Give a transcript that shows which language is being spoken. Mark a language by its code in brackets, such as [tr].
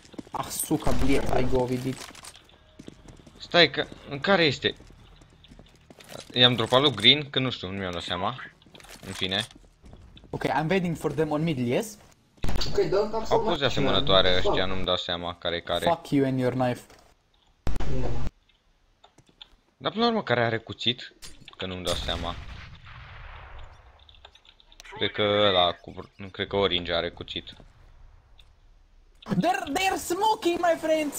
[en] Ah, [ru] suca, bliet, [en] I go with it. [ro] Stai că, în care este? I-am dropat lui green, că nu știu, nu mi-am dat seama. În fine. [en] Ok, I'm waiting for them on mid, yes? Ok, don't talk so much. [ro] Au pus de asemănătoare ăștia, nu-mi dau seama care-i care. [en] Fuck you and your knife. [ro] Dar până la urmă, care are cuțit? Că nu-mi dau seama. Cred că ăla, cred că orange are cuțit. [en] They're smoking, my friends!